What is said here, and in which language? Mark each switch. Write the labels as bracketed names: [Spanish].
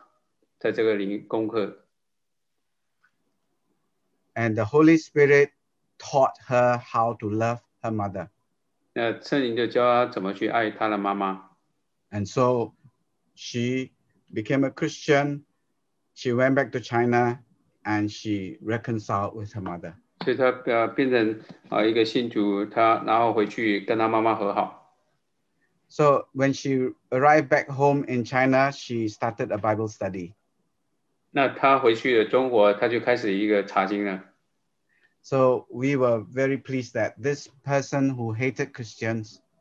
[Chinese] 她说圣灵的亲自就教导她在这个灵功课。 [English] And the Holy Spirit taught her how to love her mother. [Chinese] 圣灵就教她怎么去爱她的妈妈。 [English] And so she became a Christian. She went back to China and she reconciled with her mother. [Chinese] 所以她变成一个信徒，她然后回去跟她妈妈和好。 [English] So when she arrived back home in China, she started a Bible study. [Chinese] 那她回去了中国，她就开始一个查经了。 [English] So we were very pleased that this person who hated Christians.